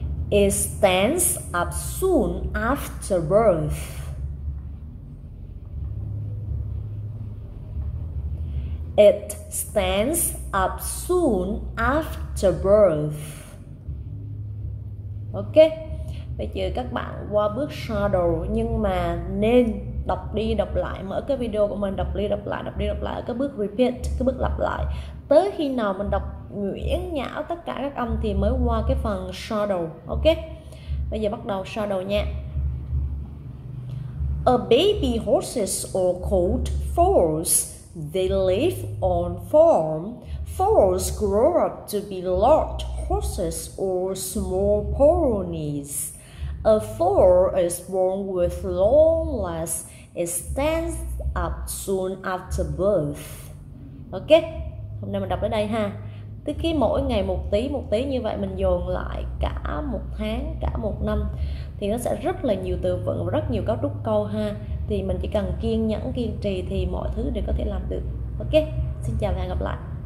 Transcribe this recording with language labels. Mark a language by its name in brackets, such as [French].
[English] It stands up soon after birth. It stands up soon after birth. [Vietnamese] Ok, bây giờ các bạn qua bước shadow, nhưng mà nên đọc đi đọc lại, mở cái video của mình đọc đi đọc lại, đọc đi đọc lại ở cái bước repeat, cái bước lặp lại, tới khi nào mình đọc nhuyễn nhão tất cả các âm thì mới qua cái phần shadow. Ok, bây giờ bắt đầu shadow nha. [English] A baby horses are called foals. They live on farm. Foals grow up to be large horses or small ponies. A foal is born with long legs. It stands up soon after birth. [Vietnamese] Ok, hôm nay mình đọc đến đây ha. Tức khi mỗi ngày một tí như vậy mình dồn lại cả một tháng, cả một năm thì nó sẽ rất là nhiều từ vựng và rất nhiều cấu trúc câu ha. Thì mình chỉ cần kiên nhẫn, kiên trì thì mọi thứ đều có thể làm được. Ok, xin chào và hẹn gặp lại.